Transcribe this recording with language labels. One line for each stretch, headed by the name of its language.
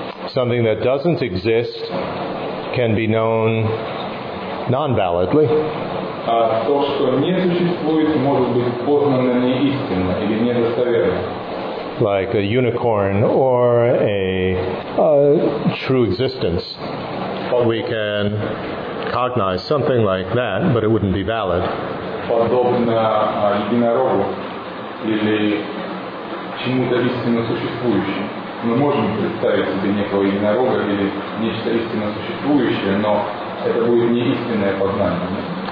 English: Something that doesn't exist can be known non-validly.
Russian: То, что не существует, может быть познано неистинно или недостоверно.
English: Like a unicorn or a true existence. We can cognize something like that, but it wouldn't be valid.
Russian: Подобно единорогу или чему-то истинно существующему. Мы можем представить себе некого единорога или нечто истинно существующее, но это будет неистинное познание.